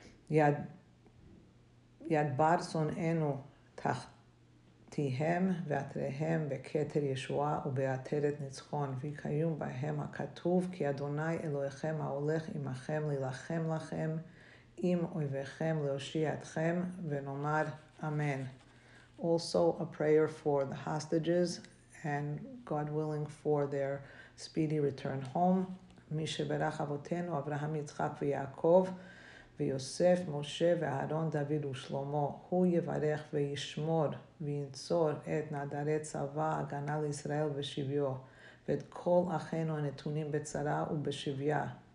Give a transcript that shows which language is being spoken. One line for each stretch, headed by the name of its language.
Hebrew: יד בר שונאינו תחתיהם ואתריהם בכתר ישועה ובאתרת ניצחון. וכיום בהם הכתוב כי אדוני אלוהיכם ההולך עמכם להילחם לכם עם אויביכם להושיע אתכם ונאמר אמן.
English: Also a prayer for the hostages and God willing for their speedy return home.
Hebrew: מי שברך אבותינו אברהם יצחק ויעקב ויוסף משה ואהרון דוד ושלמה הוא יברך וישמור וינצור את נדרי צבא הגנה לישראל ושביו ואת כל אחינו הנתונים בצרה ובשביה